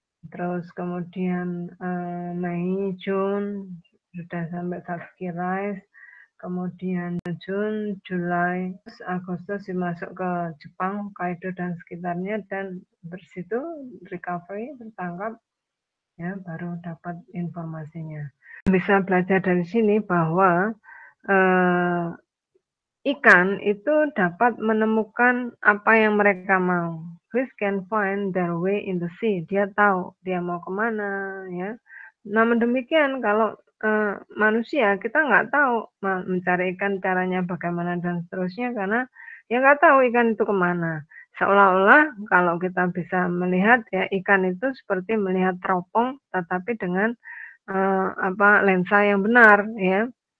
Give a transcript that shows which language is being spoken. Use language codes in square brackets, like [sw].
[id] terus kemudian Mei, Juni, sudah sampai Turkey Rise, kemudian Juni, Juli, Agustus masuk ke Jepang, Hokkaido dan sekitarnya, dan bersitu recovery, tertangkap, ya, baru dapat informasinya. Bisa belajar dari sini bahwa ikan itu dapat menemukan apa yang mereka mau. [en] Fish can find their way in the sea. [id] Dia tahu dia mau kemana, ya. Namun demikian, kalau manusia, kita nggak tahu mencari ikan caranya bagaimana dan seterusnya, karena ya nggak tahu ikan itu kemana. Seolah-olah kalau kita bisa melihat ya, ikan itu seperti melihat teropong, tetapi dengan lensa yang benar, ya.